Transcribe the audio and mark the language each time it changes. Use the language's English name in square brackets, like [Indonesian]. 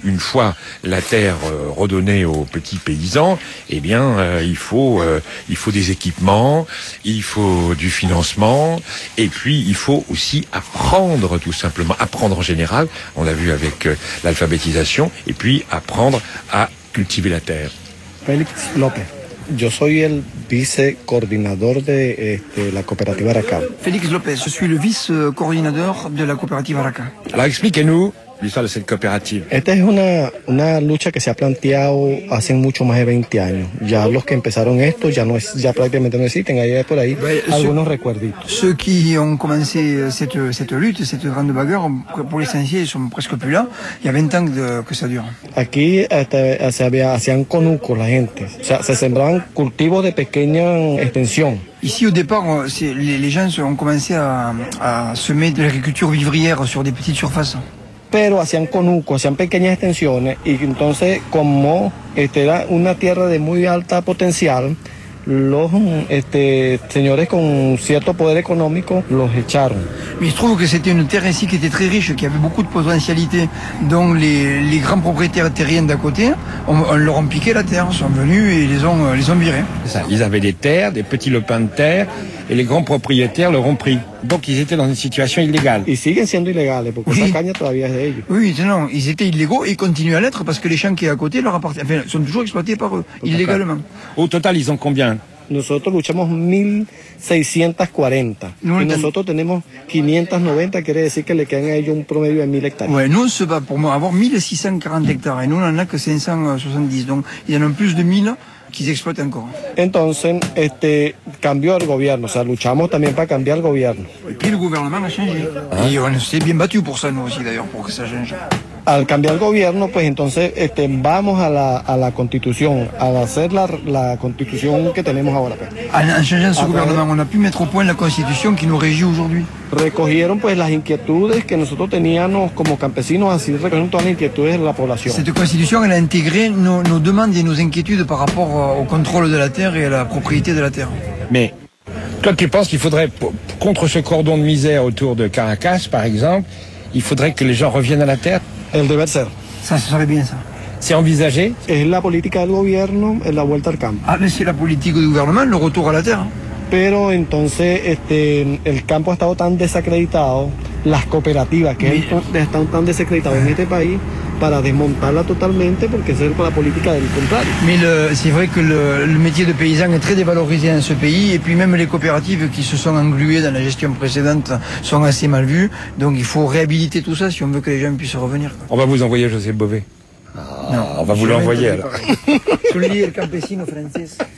[French] Une fois la terre redonnée aux petits paysans, eh bien, il faut des équipements, il faut du financement, et puis il faut aussi apprendre, tout simplement. Apprendre en général, on l'a vu avec l'alphabétisation, et puis apprendre à cultiver la terre. Félix López. [Spanish] Yo soy el vice coordinador de la cooperativa Araca. [French] Félix López, je suis le vice coordinateur de la coopérative Araca. Alors expliquez-nous l'histoire de cette coopérative. [Spanish] Esta es una lucha que se ha planteado hace mucho más de 20 años. Ya los que empezaron esto ya prácticamente no existen. Hay por ahí algunos recuerditos. [French] Ceux qui ont commencé cette lutte, cette grande bagarre, pour l'essentiel, sont presque plus là. Il y a 20 ans que ça dure. [Spanish] Aquí hacían conucos la gente. O sea, se sembraban cultivos de pequeña extensión. [French] Ici, au départ, les gens ont commencé à semer de l'agriculture vivrière sur des petites surfaces. [Spanish] Pero hacían conuco, hacían pequeñas extensiones, y entonces como era una tierra de muy alta potencial, los señores con cierto poder económico los echaron. [French] Mais il se trouve que c'était une terre ici qui était très riche, qui avait beaucoup de potentialité, donc les grands propriétaires terriens d'à côté, on leur ont piqué la terre, sont venus et les ont virés. Ça, ils avaient des terres, des petits lopins de terre, et les grands propriétaires leur ont pris. Donc ils étaient dans une situation illégale. [Spanish] Ils siguen siendo ilegales, porque esa caña todavía es de ellos. [French] Oui, non, ils étaient illégaux et continuent à l'être parce que les champs qui sont à côté leur appartiennent. Enfin, sont toujours exploités par eux, illégalement. Au total, ils ont combien? [Spanish] Nosotros luchamos 1640. Nosotros tenemos 590, quiere decir que le quedan a ellos un promedio de 1000 hectáreas. [French] Ouais, nous on se bat pour avoir 1640 hectares, nous on en a que 570, donc il y en a plus de 1000 qu'ils exploitent encore. [Spanish] Entonces, cambió el gobierno, o sea, luchamos también para cambiar el gobierno. [French] Et puis le gouvernement a changé. Ah. Et on s'est bien battu pour ça, nous aussi, d'ailleurs, pour que ça change. [Spanish] Al cambiar el gobierno, pues entonces vamos a la constitución, a hacer la constitución que tenemos ahora. [French] En changeant ce gouvernement, on a pu mettre au point la constitución que nous régit aujourd'hui. [Spanish] Recogieron pues las inquietudes que nosotros teníamos como campesinos, así recogieron todas las inquietudes de la población. [French] Cette constitution, elle a intégré nos demandes et nos inquiétudes par rapport au contrôle de la terre et à la propriété de la terre. Mais toi, tu penses qu'il faudrait, contre ce cordon de misère autour de Caracas, par exemple, il faudrait que les gens reviennent à la terre? [Spanish] El deber ser. [French] Ça, ça serait bien, ça. C'est envisagé? [Spanish] Es la política del gobierno, es la vuelta al campo. [French] Ah, mais c'est la politique du gouvernement, le retour à la terre. [Spanish] Pero entonces, el campo ha estado tan desacreditado, las cooperativas que están tan desacreditadas en este país, para desmontarla totalmente, porque es la política del contrario. [French] Mais c'est vrai que le métier de paysan est très dévalorisé en ce pays, et puis même les coopératives qui se sont engluées dans la gestion précédente sont assez mal vues, donc il faut réhabiliter tout ça si on veut que les gens puissent revenir. On va vous envoyer José Bové. Ah, non, on va vous l'envoyer alors. Je le dis, le [Spanish] campesino francés.